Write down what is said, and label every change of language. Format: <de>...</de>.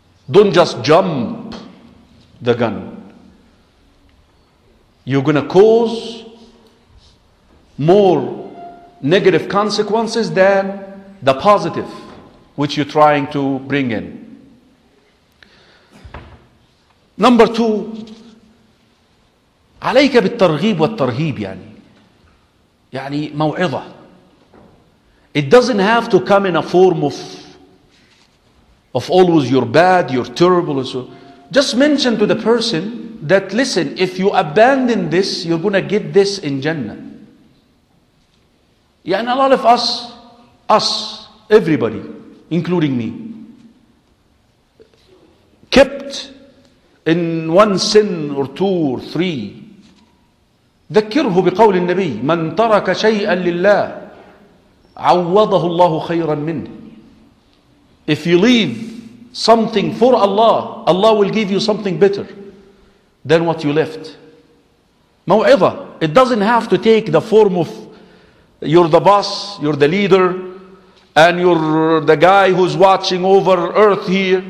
<en>Don't just jump the gun. You're going to cause more negative consequences than the positive which you're trying to bring in. Number two,</en> <ar>عليك بالترغيب والترهيب يعني موعظة.</ar> <en>It doesn't have to come in a form of always you're bad, you're terrible. So just mention to the person that, listen, if you abandon this, you're going to get this in Jannah.</en> <ar>يعني</ar> <en>a lot of us, everybody, including me, kept in one sin or two or three.</en> <ar>ذكره بقول النبي من ترك شيئا لله عوضه الله خيرا منه.</ar> <en>If you leave something for Allah, Allah will give you something better than what you left.</en> <ar>موعظة.</ar> <en>It doesn't have to take the form of you're the boss, you're the leader, and you're the guy who's watching over earth here.</en>